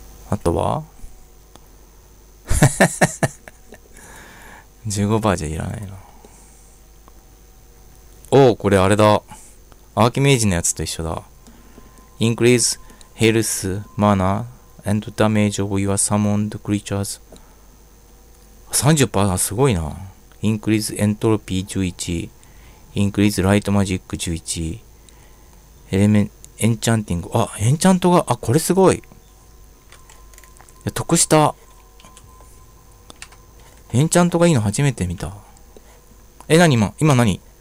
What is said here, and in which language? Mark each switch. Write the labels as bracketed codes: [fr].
[ja] あとは？ 15% じゃいらないな。おお、これあれだ。アーキメイジのやつと一緒だ。 [en] Increase health, mana, and damage of your summoned creatures。 [ja] 30%、 すごいな。インクリーズエントロピー11、インクリーズライトマジック11、エレメンエンチャンティング。あ、エンチャントが、あ、これすごい。得した。エンチャントがいいの初めて見た。え、なに今何？